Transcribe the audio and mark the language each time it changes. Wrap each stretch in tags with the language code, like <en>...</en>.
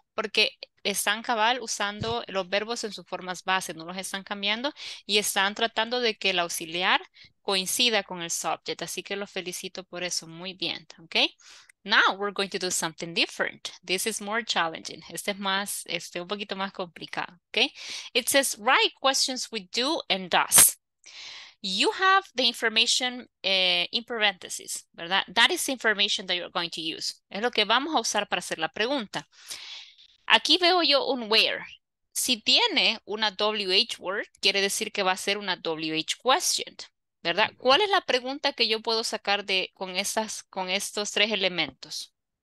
<es>Porque están cabal usando los verbos en sus formas base, no los están cambiando, y están tratando de que el auxiliar coincida con el subject. Así que los felicito por eso. Muy bien, ¿ok?</es> <en>Now we're going to do something different. This is more challenging.</en> <es>Este es más, este un poquito más complicado, ¿ok?</es> <en>It says, write questions with do and does. You have the information in parentheses, ¿verdad? That is the information that you're going to use.</en> <es>Es lo que vamos a usar para hacer la pregunta. Aquí veo yo un where. Si tiene una WH word, quiere decir que va a ser una WH question, ¿verdad? ¿Cuál es la pregunta que yo puedo sacar de con estos tres elementos?</es>